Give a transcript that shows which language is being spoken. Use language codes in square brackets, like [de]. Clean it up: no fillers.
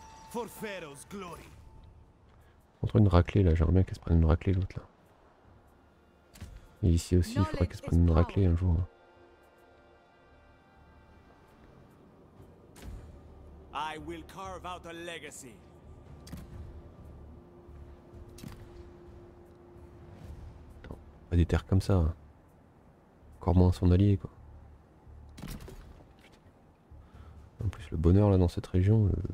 [en] For Pharaoh's glory. [fr] On trouve une raclée là, j'aimerais bien qu'elle se prenne une raclée l'autre là. Et ici aussi, il faudrait qu'elle se prenne une raclée un jour. Hein. [en] I will carve out a legacy. [fr] Attends, pas des terres comme ça. Hein. Encore moins son allié quoi. Putain. En plus le bonheur là dans cette région.